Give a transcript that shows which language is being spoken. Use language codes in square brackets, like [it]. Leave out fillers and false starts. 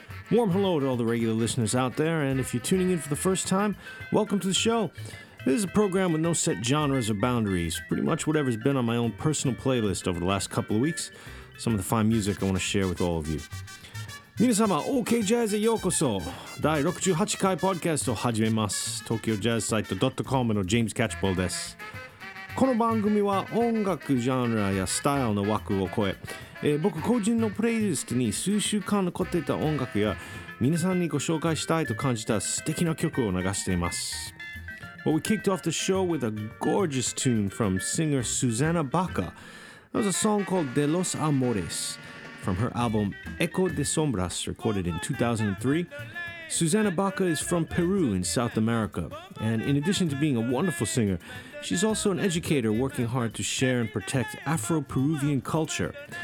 [en] Warm hello to all the regular listeners out there, and if you're tuning in for the first time, welcome to the show. This is a program with no set genres or boundaries, pretty much whatever's been on my own personal playlist over the last couple of weeks. some of the fine music I want to share with all of you. [ja] 皆様、OK Jazz へようこそ。第68回ポッドキャストを始めます。 Tokyo Jazz Site .com の James Catchpole です。この番組は音楽ジャンルやスタイルの枠を超え、僕個人のプレイリストに数週間残っていた音楽や皆さんにご紹介したいと感じた素敵な曲を流しています。 [en] Well, we kicked off the show with a gorgeous tune from singer Susanna Baca. That was a song called De Los Amores from her album Echo de Sombras, recorded in 2003. Susanna Baca is from Peru in South America. And in addition to being a wonderful singer, she's also an educator working hard to share and protect Afro-Peruvian culture.